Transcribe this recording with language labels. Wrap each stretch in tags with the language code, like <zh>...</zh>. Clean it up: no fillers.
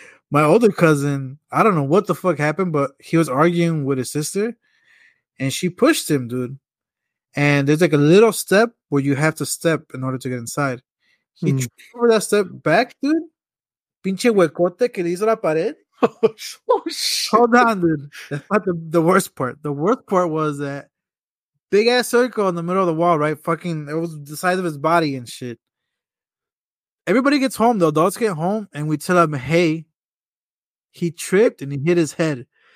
<en>My older cousin, I don't know what the fuck happened, but he was arguing with his sister. And she pushed him, dude. And there's like a little step where you have to step in order to get inside. He tripped over that step back, dude.</en> <es>Pinche huecote que le hizo la pared.</es> <en>Oh, shit. Hold on, dude. That's not the worst part. The worst part was that big ass circle in the middle of the wall, right? Fucking, it was the size of his body and shit. Everybody gets home. The adults get home. And we tell them, hey, he tripped and he hit his head.</en>